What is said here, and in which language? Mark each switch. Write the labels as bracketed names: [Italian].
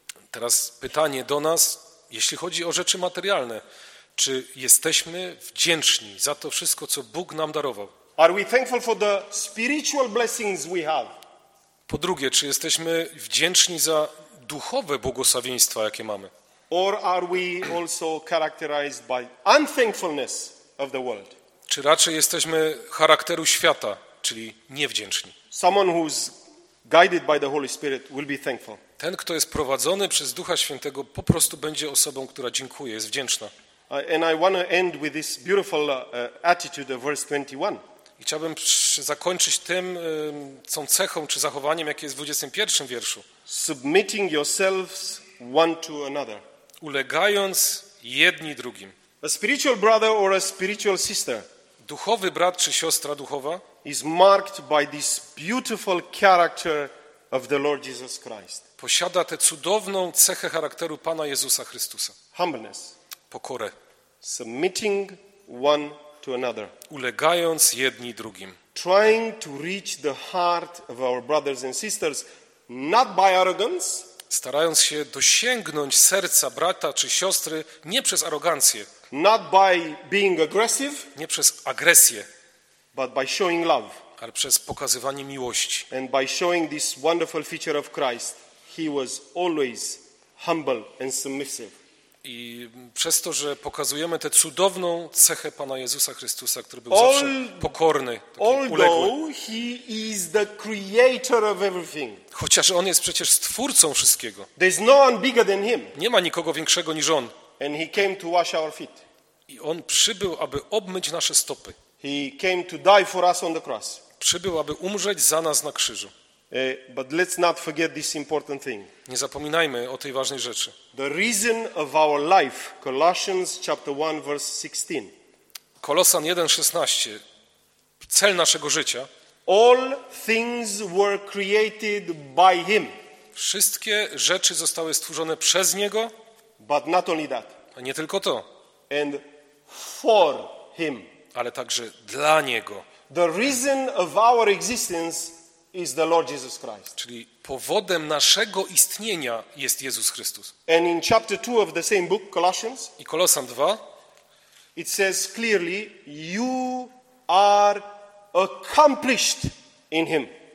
[Polish] Teraz pytanie do nas, jeśli chodzi o rzeczy materialne, czy jesteśmy wdzięczni za to wszystko, co Bóg nam darował? [English] Are we thankful for the spiritual blessings we have? [Polish] Po drugie, czy jesteśmy wdzięczni za duchowe błogosławieństwa, jakie mamy? [English] Or are we also characterized by unthankfulness of the world? [Polish] Czy raczej jesteśmy charakteru świata, czyli niewdzięczni? [English] Someone who's guided by the Holy Spirit will be thankful. [Polish] Ten, kto jest prowadzony przez Ducha Świętego, po prostu będzie osobą, która dziękuje, jest wdzięczna. [English] And I want to end with this beautiful attitude of verse 21. [Polish] I chciałbym zakończyć tym, tą cechą czy zachowaniem, jakie jest w 21 wierszu. [English] Submitting yourselves one to another. [Polish] Ulegając jedni drugim. [English] A spiritual brother or a spiritual sister. [Polish] Duchowy brat czy siostra duchowa. [English] Is marked by this beautiful character of the Lord Jesus Christ. [Polish] Posiada tę cudowną cechę charakteru Pana Jezusa Chrystusa. [English] Humbleness. [Polish] Pokorę. [English] Submitting one to another. [Polish] Ulegając jedni drugim. [English] Trying to reach the heart of our brothers and sisters, not by arrogance. [Polish] Starając się dosięgnąć serca brata czy siostry nie przez arogancję. [English] Not by being aggressive. [Polish] Nie przez agresję. [English] But by showing love. [Polish] Ale przez pokazywanie miłości. [English] And by showing this wonderful feature of Christ, he was always humble and submissive. [Polish] I przez to, że pokazujemy tę cudowną cechę Pana Jezusa Chrystusa, który był zawsze pokorny, taki uległy. [English] He is the creator of everything. [Polish] Chociaż On jest przecież stwórcą wszystkiego. [English] There is no one bigger than him. [Polish] Nie ma nikogo większego niż On. [English] And he came to wash our feet. [Polish] I On przybył, aby obmyć nasze stopy. [English] He came to die for us on the cross. [Polish] Przybył, aby umrzeć za nas na krzyżu. [English] But let's not forget this important thing. [Polish] Nie zapominajmy o tej ważnej rzeczy. [English] The reason of our life, Colossians chapter 1 verse 16. [Polish] Kolosan 1:16. Cel naszego życia. [English] All things were created by him. [Polish] Wszystkie rzeczy zostały stworzone przez niego. [English] But not only that. [Polish] A nie tylko to. [English] And for him. [Polish] Ale także dla niego. [English] The reason of our existence is the Lord Jesus Christ. [Polish] Czyli powodem naszego istnienia jest Jezus Chrystus. [English] And in chapter 2 of the same book, Colossians, [Polish] i Kolosan 2, [English] it says clearly, you are accomplished in him.